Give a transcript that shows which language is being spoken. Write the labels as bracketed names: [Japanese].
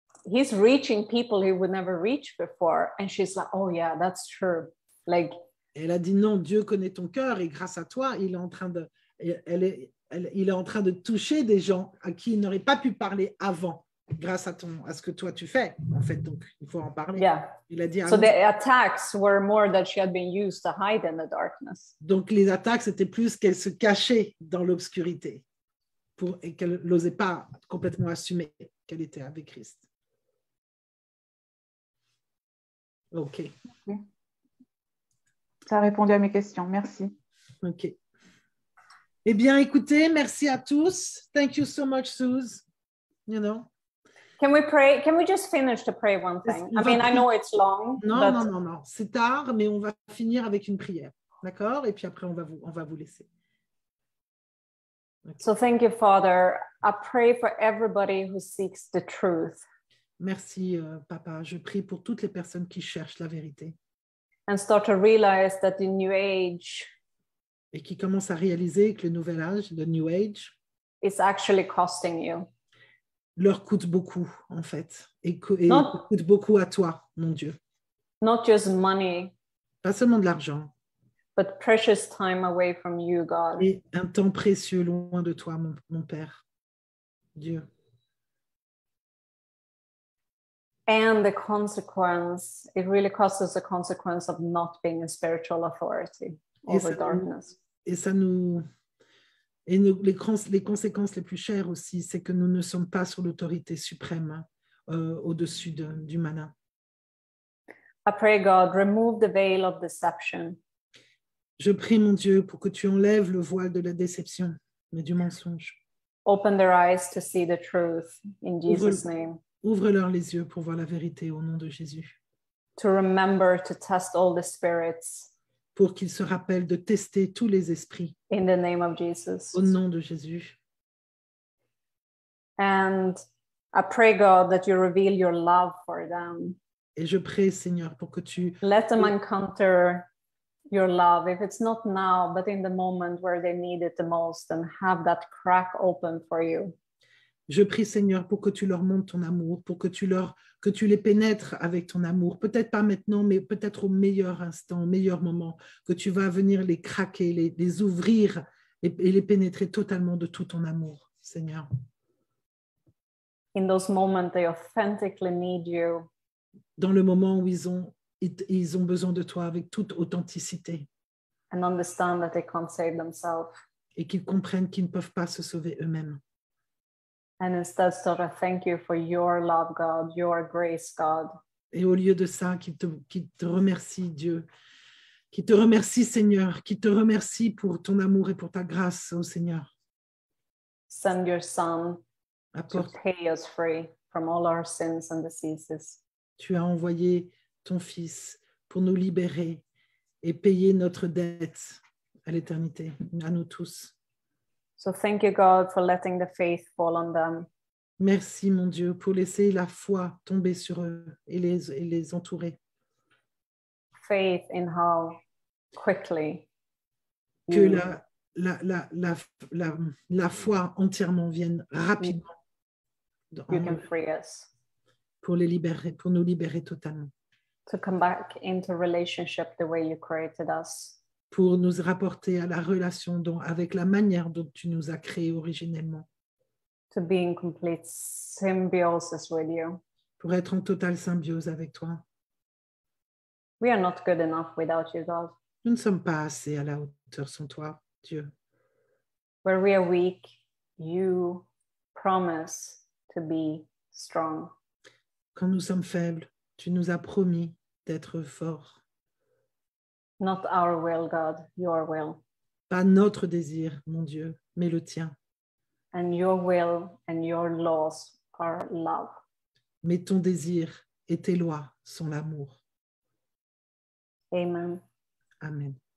[English] He's reaching people he would never reach before. And she's like, oh yeah, that's true. Like, [French] elle a dit, non, Dieu connaît ton cœur et grâce à toi, il est en train de toucher des gens à qui il n'aurait pas pu parler avant, grâce à ce que toi tu fais. En fait, donc, il faut en parler. [English] Yeah. [French] Il a dit, [English] so the attacks were more that she had been used to hide in the darkness. [French] Donc, les attaques, c'était plus qu'elle se cachait dans l'obscurité et qu'elle n'osait pas complètement assumer qu'elle était avec Christ. [English] OK. Okay. [French] Ça a répondu à mes questions. Merci. OK. Eh bien, écoutez, merci à tous. [English] Thank you so much, Suze. You know. Can we pray? Can we just finish to pray one thing? I know it's long. [French] Non. C'est tard, mais on va finir avec une prière. D'accord? Et puis après, on va vous laisser. [English] Okay. So thank you, Father. I pray for everybody who seeks the truth. [French] Merci, Papa. Je prie pour toutes les personnes qui cherchent la vérité. [English] And start to realize that the new age. [French] Et qui commence à réaliser que le nouvel âge, le new age, [English] is actually costing you. [French] Leur coûte beaucoup, en fait. Et coûte beaucoup à toi, mon Dieu. [English] Not just money. [French] Pas seulement de l'argent. [English] But precious time away from you, God. [French] Et un temps précieux loin de toi, mon Père, Dieu. [English] And the consequence, it really costs us the consequence of not being a spiritual authority over darkness. [French] Les conséquences les plus chères aussi, c'est que nous ne sommes pas sur l'autorité suprême au-dessus du mana. [English] I pray, God, remove the veil of deception. [French] Je prie, mon Dieu, pour que tu enlèves le voile de la déception, mais du mensonge. [English] Open their eyes to see the truth in Jesus' name. [French] Ouvre-leur les yeux pour voir la vérité au nom de Jésus. [English] To remember to test all the spirits. [French] Pour qu'ils se rappellent de tester tous les esprits. [English] In the name of Jesus. [French] Au nom de Jésus. [English] And I pray, God, that you reveal your love for them. [French] Et je prie, Seigneur, pour que tu... [English] Let them encounter your love, if it's not now, but in the moment where they need it the most, and have that crack open for you. [French] Je prie, Seigneur, pour que tu leur montres ton amour, pour que tu les pénètres avec ton amour, peut-être pas maintenant, mais peut-être au meilleur instant, au meilleur moment, que tu vas venir les craquer, les ouvrir et les pénétrer totalement de tout ton amour, Seigneur. [English] In those moments, they authentically need you. [French] Dans le moment où ils ont besoin de toi avec toute authenticité. [English] And understand that they can't save themselves. [French] Et qu'ils comprennent qu'ils ne peuvent pas se sauver eux-mêmes. [English] And instead, sort of thank you for your love, God, your grace, God. [French] Et au lieu de ça, qu'il te remercie, Dieu, qu'il te remercie, Seigneur, qu'il te remercie pour ton amour et pour ta grâce, oh Seigneur. [English] Send your Son to pay us free from all our sins and diseases. [French] Tu as envoyé ton Fils pour nous libérer et payer notre dette à l'éternité, à nous tous. [English] So thank you, God, for letting the faith fall on them. [French] Merci, mon Dieu, pour laisser la foi tomber sur eux et les entourer. [English] Faith in how quickly. [French] Que la foi entièrement vienne rapidement. [English] You can free us. [French] Pour nous libérer totalement. [English] To come back into relationship the way you created us. [French] Pour nous rapporter à la relation avec la manière dont tu nous as créés originellement. [English] To be in complete symbiosis with you. [French] Pour être en totale symbiose avec toi. [English] We are not good enough without you, God. [French] Nous ne sommes pas assez à la hauteur sans toi, Dieu. [English] Where we are weak, you promise to be strong. [French] Quand nous sommes faibles, tu nous as promis d'être forts. [English] Not our will, God, your will. [French] Pas notre désir, mon Dieu, mais le tien. [English] And your will and your laws are love. [French] Mais ton désir et tes lois sont l'amour. [English] Amen. [French] Amen.